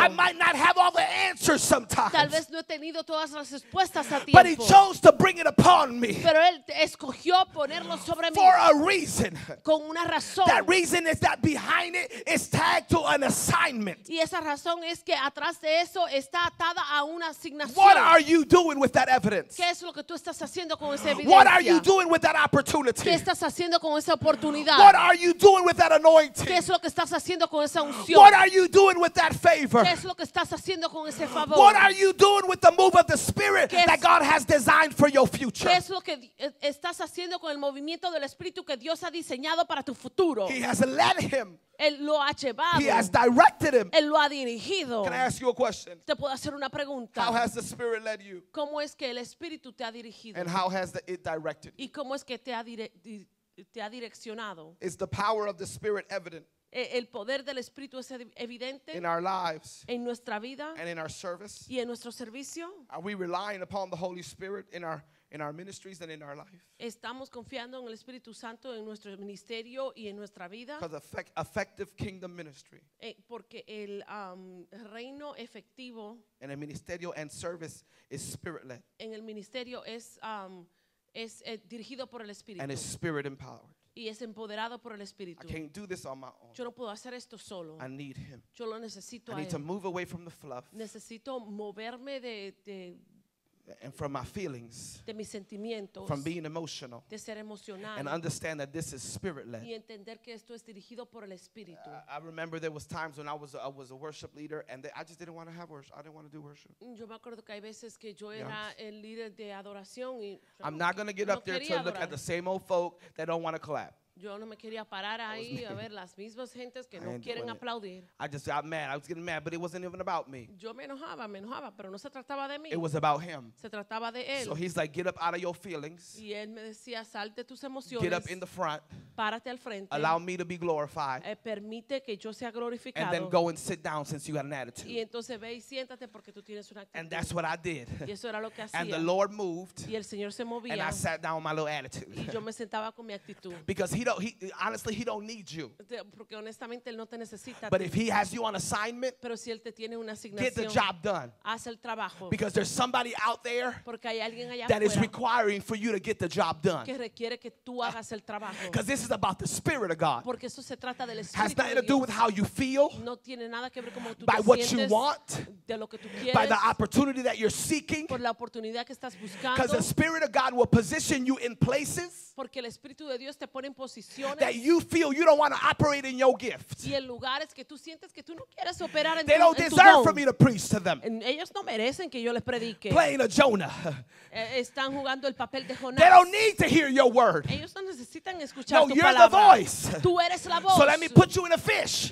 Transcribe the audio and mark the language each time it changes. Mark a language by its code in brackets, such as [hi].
[en] I might not have all the answers sometimes. [es] Tal vez no he tenido todas las respuestas a tiempo. [en] But He chose to bring it upon me. [es] Pero Él escogió ponerlo sobre mí. [en] For a reason. [es] Con una razón. [en] That reason is that behind it is tagged to an assignment. [es] Y esa razón es que atrás de eso está atada a una asignación. [en] What are you doing with that evidence? [es] ¿Qué es lo que tú estás haciendo? [en] What are you doing with that opportunity? [es] ¿Qué estás haciendo con esa oportunidad? [en] What are you doing with that anointing? [es] ¿Qué es lo que estás haciendo con esa unción? [en] What are you doing with that favor? [es] ¿Qué es lo que estás haciendo con ese favor? [en] What are you doing with the move of the Spirit that God has designed for your future? [es] ¿Qué es lo que estás haciendo con el movimiento del Espíritu que Dios ha diseñado para tu futuro? [en] He has led him. [es] Él lo ha llevado. [en] He has directed him. [es] Él lo ha dirigido. [en] Can I ask you a question? [es] Te puedo hacer una pregunta. [en] How has the Spirit led you? [es] ¿Cómo es que el Espíritu te ha dirigido? [en] And how has it directed you? [es] ¿Y cómo es que te ha direccionado? [en] Is the power of the Spirit evident? [es] ¿El poder del Espíritu es evidente? [en] In our lives. [es] ¿En nuestra vida? [en] And in our service. [es] ¿Y en nuestro servicio? [en] Are we relying upon the Holy Spirit in our ministries and in our life? [es] Estamos confiando en el Espíritu Santo en nuestro ministerio y en nuestra vida. [en] Because effective kingdom ministry. [es] Porque el reino efectivo. [en] And a ministerio and service is spirit led. [es] En el ministerio es dirigido por el Espíritu. [en] And is spirit empowered. [es] Y es empoderado por el Espíritu. [en] I can't do this on my own. [es] Yo no puedo hacer esto solo. [en] I need Him. [es] Yo lo necesito. [en] I need a to move away from the fluff. [es] Necesito moverme de [en] and from my feelings, [es] de mis sentimientos, [en] from being emotional, [es] de ser emocional, [en] and understand that this is spirit led. [es] Y entender que esto es dirigido por el Espíritu. [en] I remember there was times when I was a worship leader and I just didn't want to have worship. I didn't want to do worship. [es] Yo me acuerdo que hay veces que yo era el líder de adoración y [en] I'm not going to get up there to look at the same old folk that don't want to clap. [es] Yo no me quería parar ahí a ver las mismas gentes que no quieren aplaudir. [en] I was getting mad, but it wasn't even about me. [es] Yo me enojaba, pero no se trataba de mí. [en] It was about him. [es] Se trataba de él. [en] So he's like, get up out of your feelings. [es] Y él me decía, salte tus emociones. [en] Get up in the front. [es] Párate al frente. [en] Allow me to be glorified. [es] Permite que yo sea glorificado. [en] And then go and sit down since you got an attitude. [es] Y entonces ve y siéntate porque tú tienes una actitud. [en] And that's what I did. [es] Y eso era lo que hacía. [en] And the Lord moved. [es] Y el Señor se movía. [en] And I sat down with my little attitude. [es] Y yo me sentaba con mi actitud. [en] Because he don't need you. [es] Porque honestamente él no te necesita. [en] But if he has you on assignment, [es] pero si él te tiene una asignación, [en] get the job done. [es] Haz el trabajo. [en] Because there's somebody out there, [es] porque hay alguien allá [en] that is requiring for you to get the job done. [es] Que requiere que tú hagas el trabajo. [en] Because this is about the Spirit of God. [es] Porque eso se trata del Espíritu. [en] Has nothing to do with how you feel. [es] No tiene nada que ver cómo tú te sientes. [en] By what you want. [es] De lo que tú quieres. [en] By the opportunity that you're seeking. [es] Por la oportunidad que estás buscando. [en] Because the Spirit of God will position you in places. [es] Porque el Espíritu de Dios te pone en posiciones. [en] That you feel you don't want to operate in your gift. [es] Y en lugares que tú sientes que tú no quieres operar en tu [en] They don't deserve for me to preach to them. [es] Ellos no merecen que yo les predique. [en] Playing a Jonah. [es] Están jugando el papel de Jonás. [en] They don't need to hear your word. [es] Ellos no necesitan escuchar tu palabra. [en] No, you're the voice. [es] Tú eres la voz. [en] So let me put you in a fish.